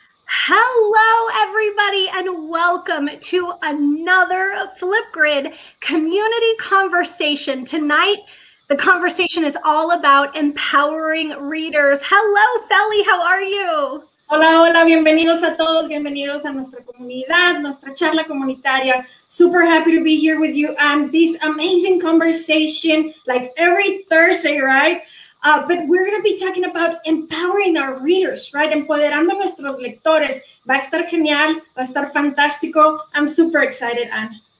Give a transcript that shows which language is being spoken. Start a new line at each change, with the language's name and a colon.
English: Hello, everybody, and welcome to another Flipgrid Community Conversation. Tonight, the conversation is all about empowering readers. Hello, Fely, how are you?
Spanish: Hola, hola, bienvenidos a todos, bienvenidos a nuestra comunidad, nuestra charla comunitaria.
English: Super happy to be here with you on this amazing conversation, like every Thursday, right? But we're going to be talking about empowering our readers, right?
Spanish: Empoderando nuestros lectores. Va a estar genial. Va a estar fantástico.
English: I'm super excited, Anne.